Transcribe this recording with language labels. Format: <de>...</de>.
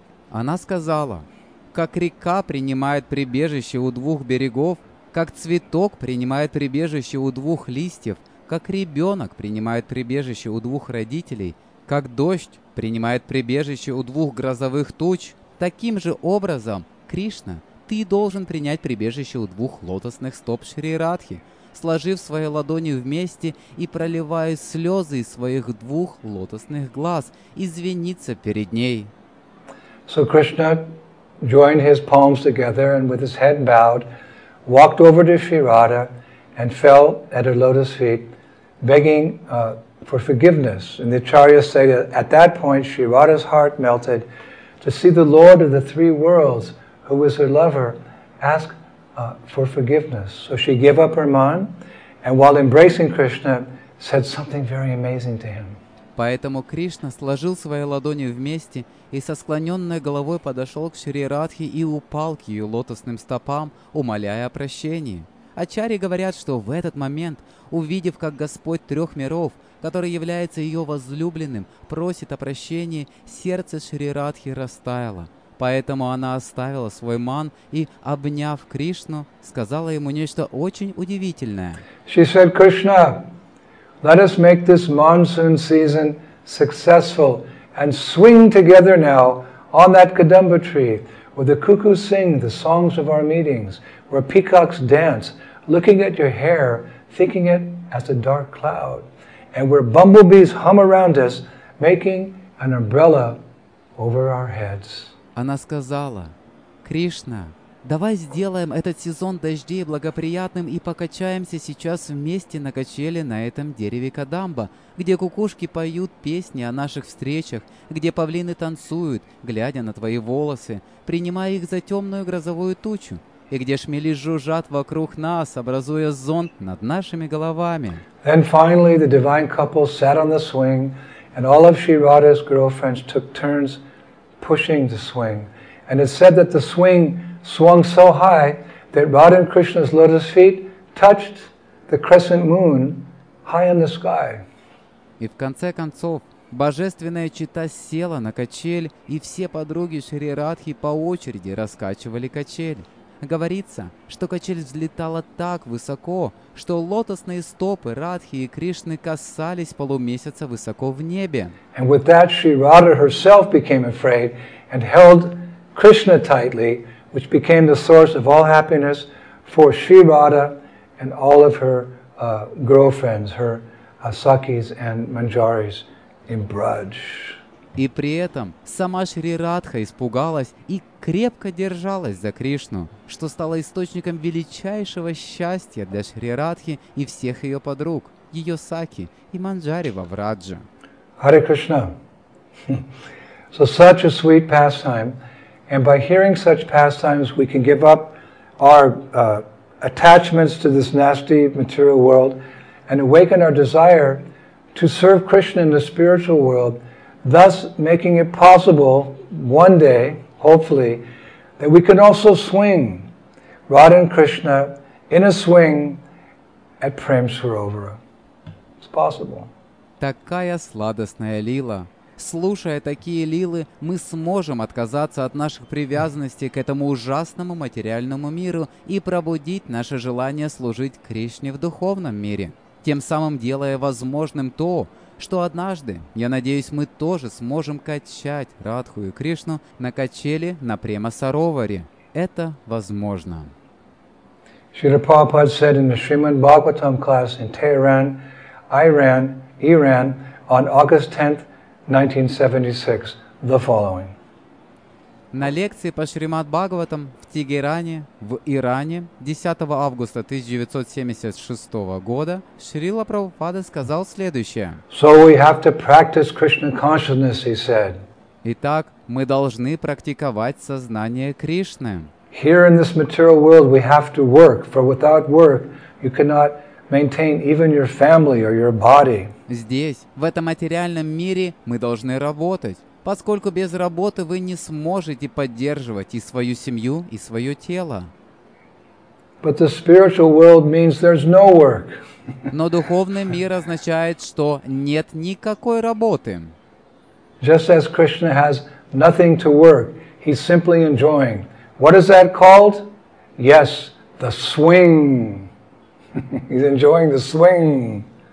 <ru>Она сказала, как река принимает прибежище у двух берегов, как цветок принимает прибежище у двух листьев, как ребенок принимает прибежище у двух родителей, как дождь принимает прибежище у двух грозовых туч, таким же образом Кришна, ты должен принять прибежище у двух лотосных стоп Шри Радхи, сложив свои ладони вместе и проливая слезы из своих двух лотосных глаз, извиниться перед ней.</ru> <en>So Krishna joined his palms together and with his head bowed, walked over to Sri Radha and fell at her lotus feet, begging for forgiveness. And the acharyas say that at that point Sri Radha's heart melted to see the Lord of the three worlds, who was her lover, ask for forgiveness. So she gave up her man, and while embracing Krishna, said something very amazing to him.</en> <ru>Поэтому Кришна сложил свои ладони вместе и со склоненной головой подошел к Шри Радхе и упал к ее лотосным стопам, умоляя о прощении. Ачарьи говорят, что в этот момент, увидев, как Господь трех миров, который является ее возлюбленным, просит о прощении, сердце Шри Радхи растаяло. Поэтому она оставила свой ман и, обняв Кришну, сказала ему нечто очень удивительное.</ru> <en>She said, Krishna, let us make this monsoon season successful and swing together now On that Kadamba tree, where the cuckoos sing the songs of our meetings, where peacocks dance, looking at your hair, thinking it as a dark cloud, and where bumblebees hum around us, making an umbrella over our heads.</en> <ru>Она сказала, Кришна, давай сделаем этот сезон дождей благоприятным и покачаемся сейчас вместе на качели на этом дереве Кадамба, где кукушки поют песни о наших встречах, где павлины танцуют, глядя на твои волосы, принимая их за темную грозовую тучу, и где шмели жужжат вокруг нас, образуя зонт над нашими головами.</ru> <en>Then finally the divine couple sat on the swing, and all of Sri Radha's girlfriends took turns pushing the swing. And it said that the swing swung so high that Radha and Krishna's lotus feet touched the crescent moon high in the sky.</en> <ru>И в конце концов, божественная чита села на качель, и все подруги Шри Радхи по очереди раскачивали качель. Говорится, что качель взлетала так высоко, что лотосные стопы Радхи и Кришны касались полумесяца высоко в небе.</ru> <en>And with that, Sri Radha herself became afraid and held Krishna tightly, which became the source of all happiness for Sri Radha and all of her girlfriends, her sakis and manjaris in Braj.</en> <ru>И при этом сама Шри Радха испугалась и крепко держалась за Кришну, что стало источником величайшего счастья для Шри Радхи и всех ее подруг, ее саки и манджари во Врадже.</ru> <en>Hare Krishna. So such a sweet pastime. And by hearing such pastimes, we can give up our attachments to this nasty material world and awaken our desire to serve Krishna in the spiritual world, thus making it possible one day, hopefully, that we can also swing Radha and Krishna in a swing at Prem Sarovara. It's possible.</en> <ru>Такая сладостная лила. Слушая такие лилы, мы сможем отказаться от наших привязанностей к этому ужасному материальному миру и пробудить наше желание служить Кришне в духовном мире, тем самым делая возможным то, что однажды, я надеюсь, мы тоже сможем качать Радху и Кришну на качели на Према Сароваре. Это возможно.</ru> <en>Шрила Прабхупада said in the Srimad Bhagavatam class in Tehran, Iran, on August 10th, 1976, the following.</en> <ru>На лекции по Шримад Бхагаватам в Тегеране, в Иране, 10 августа 1976 года, Шрила Прабхупада сказал следующее.</ru> <en>So we have to practice Krishna consciousness, he said.</en> <ru>Итак, мы должны практиковать сознание Кришны.</ru> <en>Here in this material world we have to work, for without work you cannot maintain even your family or your body.</en> <ru>Здесь, в этом материальном мире, мы должны работать, поскольку без работы вы не сможете поддерживать и свою семью, и свое тело.</ru> <en>But the spiritual world means there's no work.</en> <ru>Но духовный мир означает, что нет никакой работы.</ru> <en>Just as Krishna has nothing to work, he's simply enjoying. What is that called? Yes, the swing. He's enjoying the swing.</en>